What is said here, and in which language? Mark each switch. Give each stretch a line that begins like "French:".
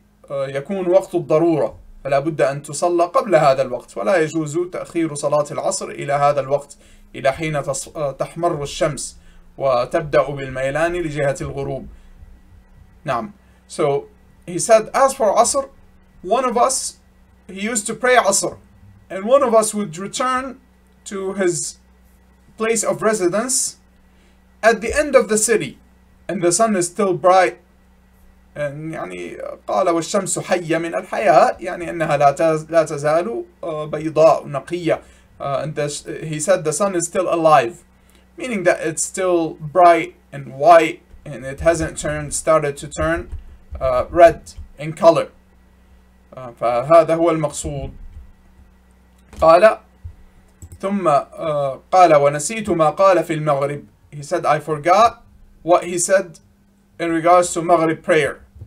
Arabic: يكون وقت الضرورة، فلا بد أن تصلى قبل هذا الوقت، ولا يجوز تأخير صلاة العصر إلى هذا الوقت، إلى حين تحمر الشمس وتبدأ بالميلان لجهة الغروب. نعم.
English: So he said, as for Asr, one of us, he used to pray Asr, and one of us would return to his place of residence at the end of the city, and the sun is still bright.
Arabic: And يعني قال والشمس حية من الحياة، يعني أنها لا تزال بيضاء نقية.
English: He said the sun is still alive, meaning that it's still bright and white, and it hasn't started to turn red in color.
Arabic: فهذا هو المقصود. قال ثم قال ونسيت ما قال في المغرب.
English: He said I forgot what he said in regards to Maghrib prayer.